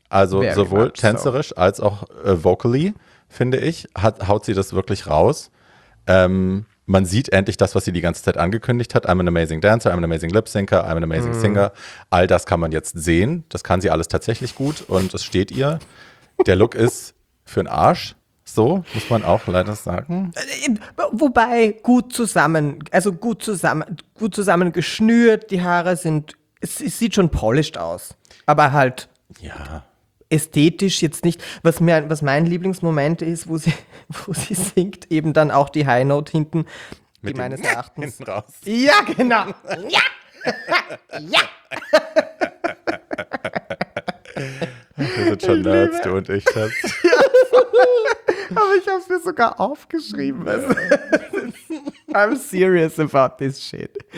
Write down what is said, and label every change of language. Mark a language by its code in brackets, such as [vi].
[de] Also very sowohl tänzerisch als auch vocally, finde ich, haut sie das wirklich raus. Man sieht endlich das, was sie die ganze Zeit angekündigt hat. [en] I'm an amazing dancer, I'm an amazing lip syncer, I'm an amazing singer. [de] All das kann man jetzt sehen. Das kann sie alles tatsächlich gut und es steht ihr. Der Look ist für den Arsch. So muss man auch leider sagen. Wobei gut zusammen geschnürt. Die Haare sind, es sieht schon polished aus. Aber halt ja. Ästhetisch jetzt nicht. Was mein Lieblingsmoment ist, wo sie singt, eben dann auch die High Note hinten, mit die meines Erachtens. Hinten raus. Ja, genau. Ja! Ja! Wir sind schon Nerds, du und ich, Schatz. Ja. Aber ich habe es mir sogar aufgeschrieben. Ja. [en] I'm serious about this shit.